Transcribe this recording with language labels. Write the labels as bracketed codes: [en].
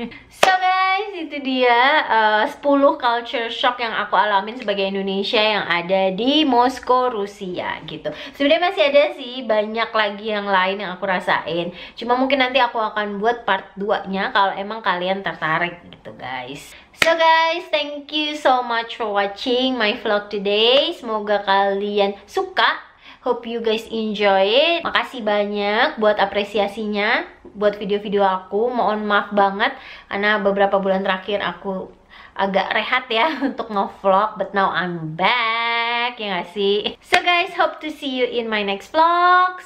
[id] So guys, itu dia 10 culture shock yang aku alamin sebagai Indonesia yang ada di Moskow, Rusia gitu. Sebenarnya masih ada sih banyak lagi yang lain yang aku rasain, cuma mungkin nanti aku akan buat part 2 nya kalau emang kalian tertarik gitu guys. [en] So guys, thank you so much for watching my vlog today. Semoga kalian suka. Hope you guys enjoy it. [id] Makasih banyak buat apresiasinya buat video-video aku. Mohon maaf banget karena beberapa bulan terakhir aku agak rehat ya untuk nge-vlog, but now I'm back, ya gak sih? [en] So guys, hope to see you in my next vlog.